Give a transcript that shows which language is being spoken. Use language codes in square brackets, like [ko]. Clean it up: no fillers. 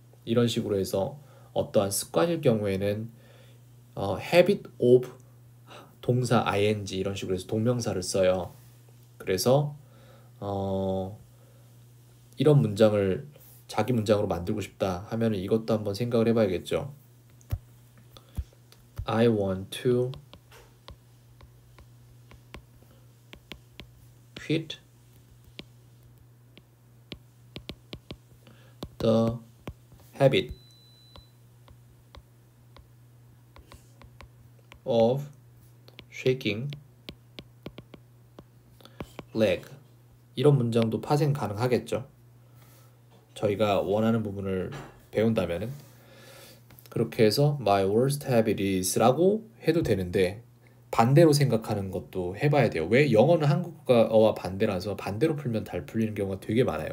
[ko] 이런 식으로 해서 어떠한 습관일 경우에는 [en] habit of [ko] 동사 ing 이런 식으로 해서 동명사를 써요. 그래서 이런 문장을 자기 문장으로 만들고 싶다 하면은 이것도 한번 생각을 해봐야겠죠. [en] I want to quit the habit of shaking leg. [ko] 이런 문장도 파생 가능하겠죠, 저희가 원하는 부분을 배운다면은. 그렇게 해서 [en] my worst habit is [ko] 라고 해도 되는데 반대로 생각하는 것도 해봐야 돼요. 왜 영어는 한국어와 반대라서 반대로 풀면 잘 풀리는 경우가 되게 많아요.